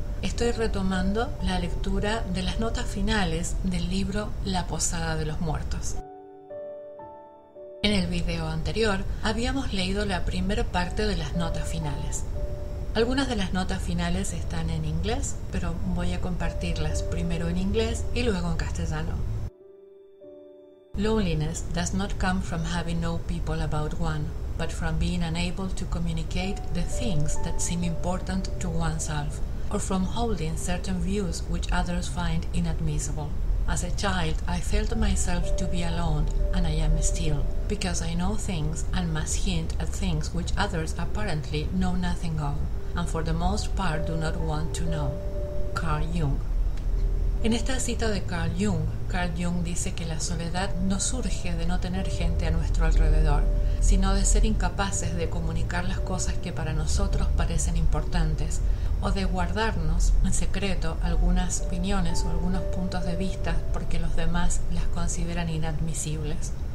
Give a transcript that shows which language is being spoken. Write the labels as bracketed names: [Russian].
[Spanish] Estoy retomando la lectura de las notas finales del libro La Posada de los Muertos. En el video anterior habíamos leído la primera parte de las notas finales. Algunas de las notas finales están en inglés, pero voy a compartirlas primero en inglés y luego en castellano. [English] Loneliness does not come from having no people about one, but from being unable to communicate the things that seem important to oneself, or from holding certain views which others find inadmissible. As a child, I felt myself to be alone, and I am still, because I know things and must hint at things which others apparently know nothing of, and for the most part do not want to know. Carl Jung. [Spanish] En esta cita de Carl Jung, Carl Jung dice que la soledad no surge de no tener gente a nuestro alrededor, sino de ser incapaces de comunicar las cosas que para nosotros parecen importantes, o de guardarnos en secreto algunas opiniones o algunos puntos de vista porque los demás las consideran inadmisibles.